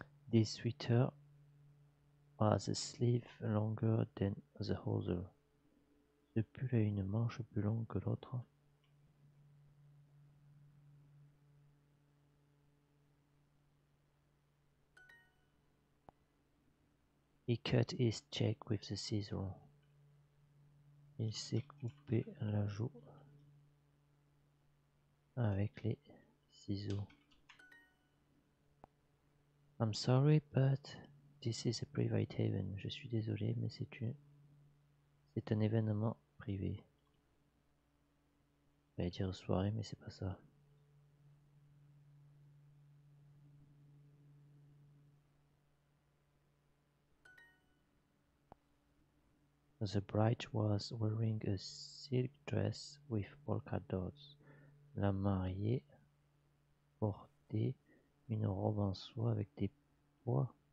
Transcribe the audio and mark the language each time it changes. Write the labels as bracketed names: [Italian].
[English] This sweater has a sleeve longer than the other. [French] Ce pull a une manche plus longue que l'autre. [English] He cut his cheek with the scissor. [French] Il s'est coupé la joue avec les ciseaux. [English] I'm sorry, but this is a private event. [French] Je suis désolé, mais c'est un événement privé. J'allais dire soirée, mais c'est pas ça. [English] The bride was wearing a silk dress with polka dots. [French] La mariée portait une robe en soie avec des pois.